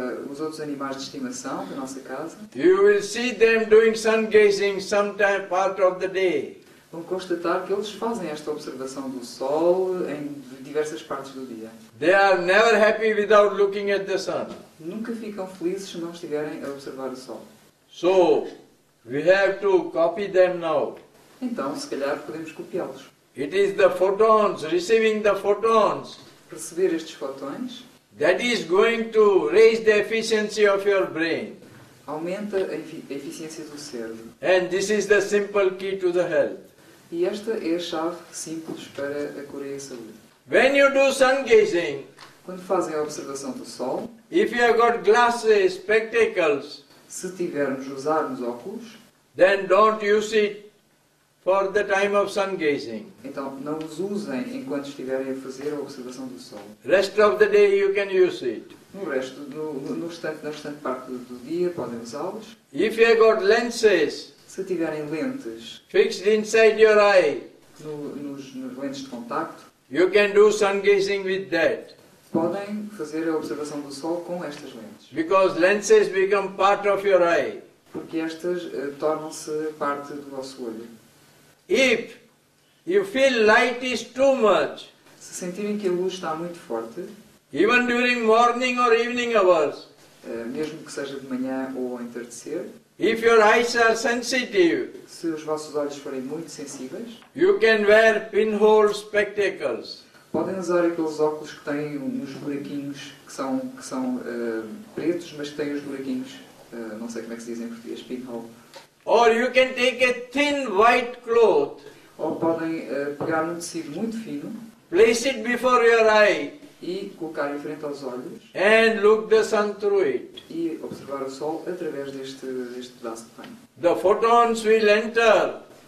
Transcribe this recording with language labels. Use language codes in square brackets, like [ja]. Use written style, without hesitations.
[pt] Os outros animais de estimação da nossa casa. [en] You will see them doing sun gazing sometime part of the day. [pt] Vão constatar que eles fazem esta observação do sol em diversas partes do dia. [en] They are never happy without looking at the sun. [pt] Nunca ficam felizes se não estiverem a observar o sol. [en] So, we have to copy them now. [pt] Então, se calhar, podemos copiá-los. [en] It is the photons, receiving the photons, [pt] receber estes fótons, [en] that is going to raise the efficiency of your brain. [pt] Aumenta a eficiência do cérebro. [en] And this is the simple key to the health. [pt] E esta é a chave simples para a cura e a saúde. [en] When you do sun gazing, [pt] quando fazem a observação do sol, [en] if you have got glasses, spectacles, [pt] se tivermos usarmos óculos, [en] then don't use it for the time of sun gazing. [pt] Então não os usem enquanto estiverem a fazer a observação do sol. [en] Rest of the day you can use it. [pt] No resto no restante parte do dia podem usá-los. [en] If you have got lenses, [pt] se tiverem lentes, [en] fixed inside your eye, [pt] nos lentes de contacto, [en] you can do sun gazing with that. [pt] Podem fazer a observação do sol com estas lentes. [en] Because lenses become part of your eye. [pt] Porque estas tornam-se parte do vosso olho. [en] If you feel light is too much, [pt] se sentirem que a luz está muito forte, [en] even during morning or evening hours, [pt] mesmo que seja de manhã ou ao entardecer, [en] if your eyes are sensitive, [pt] se os vossos olhos forem muito sensíveis, [en] you can wear pinhole spectacles. [pt] Podem usar aqueles óculos que têm uns buraquinhos que são pretos, mas que têm os buraquinhos, não sei como é que se diz em português, pinhole. [en] Or you can take a thin white cloth. [pt] Ou podem pegar um tecido muito fino. [en] Place it before your eye. [pt] E colocar em frente aos olhos. [en] And look the sun through it. [pt] E observar o sol através deste pedaço de pano. [en] The photons will enter.